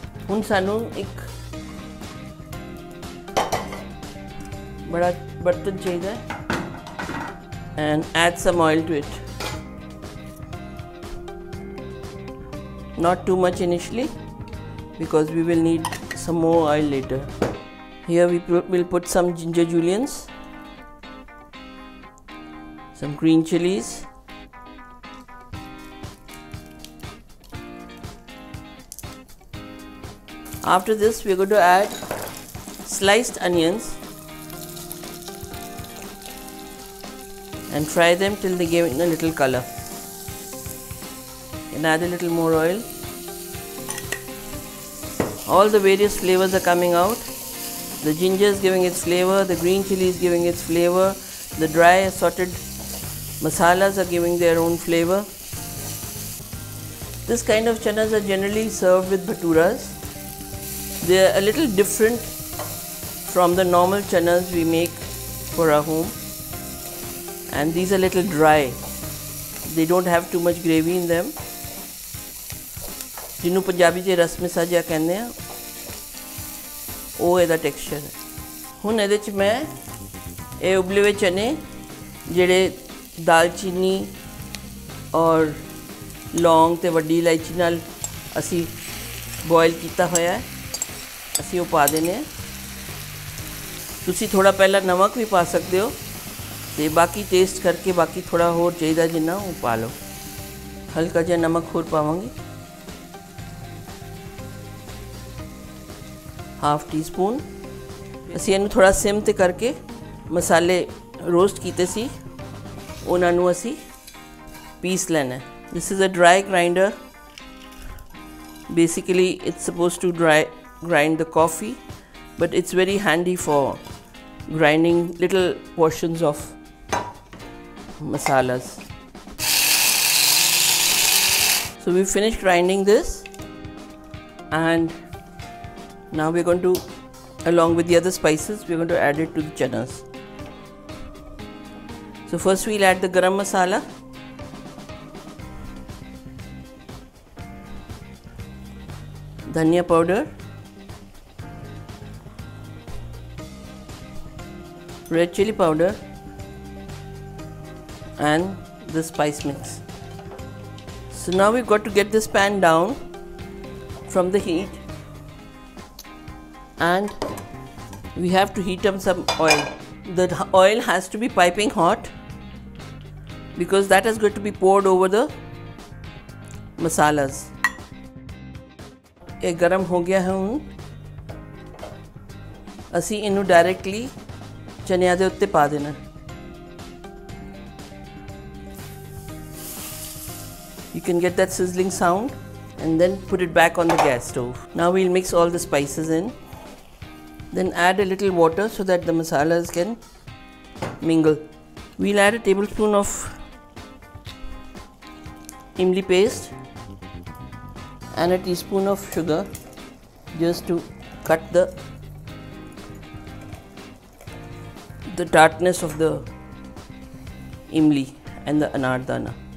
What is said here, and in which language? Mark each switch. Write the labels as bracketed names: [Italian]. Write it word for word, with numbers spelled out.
[Punjabi] ਹੁਣ ਸਾਨੂੰ ਇੱਕ ਬੜਾ ਬਰਤਨ ਚਾਹੀਦਾ ਹੈ [English] And add some oil to it, not too much initially because we will need some more oil later. Here we p- will put some ginger julians, some green chilies, after this we are going to add sliced onions and fry them till they give a little color. And add a little more oil. All the various flavors are coming out. The ginger is giving its flavor, the green chili is giving its flavor, the dry assorted masalas are giving their own flavor. This kind of chanas are generally served with bhaturas. They are a little different from the normal chanas we make for our home, and these are little dry. They don't have too much gravy in them. [Punjabi] ਜਿਹਨੂੰ ਪੰਜਾਬੀ 'ਚ ਰਸ ਮਸਾਜਾ ਕਹਿੰਦੇ ਆ, ਉਹ ਇਹਦਾ texture ਹੈ। ਹੁਣ ਇਹਦੇ 'ਚ ਮੈਂ ਇਹ ਉਬਲੇ ਹੋਏ ਚਨੇ, ਜਿਹੜੇ ਦਾਲਚੀਨੀ ਔਰ ਲੌਂਗ ਅਤੇ ਵੱਡੀ ਇਲਾਇਚੀ ਨਾਲ ਅਸੀਂ ਬੋਇਲ ਕੀਤਾ ਹੋਇਆ ਹੈ, ਅਸੀਂ ਉਹ ਪਾ ਦੇਣੇ ਆ। ਤੁਸੀਂ ਥੋੜ੍ਹਾ ਪਹਿਲਾਂ ਨਮਕ ਵੀ ਪਾ ਸਕਦੇ ਹੋ ਅਤੇ ਬਾਕੀ ਟੇਸਟ ਕਰਕੇ ਬਾਕੀ ਥੋੜ੍ਹਾ ਹੋਰ ਚਾਹੀਦਾ ਜਿੰਨਾ ਉਹ ਪਾ ਲਓ। ਹਲਕਾ ਜਿਹਾ ਨਮਕ ਹੋਰ ਪਾਵਾਂਗੇ, ਹਾਫ ਟੀ ਸਪੂਨ। ਅਸੀਂ ਇਹਨੂੰ ਥੋੜ੍ਹਾ ਸਿਮ 'ਤੇ ਕਰਕੇ ਮਸਾਲੇ ਰੋਸਟ ਕੀਤੇ ਸੀ, ਉਹਨਾਂ ਨੂੰ ਅਸੀਂ ਪੀਸ ਲੈਣਾ। [English] This is a dry grinder, basically it's suppose to dry grind the coffee, but it's very handy for grinding little portions of masalas. So we finished grinding this, and now we're going to, along with the other spices, we're going to add it to the chanas. So first we'll add the garam masala. Dhania powder. Red chili powder. And the spice mix. So now we've got to get this pan down from the heat. And we have to heat up some oil. The oil has to be piping hot because that is going to be poured over the masalas. [Hindi] ये गरम हो गया है, [Punjabi] ਅਸੀਂ ਇਹਨੂੰ directly ਚਨਿਆਂ ਦੇ ਉੱਤੇ ਪਾ ਦੇਣਾ। [English] You can get that sizzling sound and then put it back on the gas stove. Now we'll mix all the spices in. Then add a little water so that the masalas can mingle. We'll add a tablespoon of imli paste and a teaspoon of sugar just to cut the the tartness of the imli and the anardana.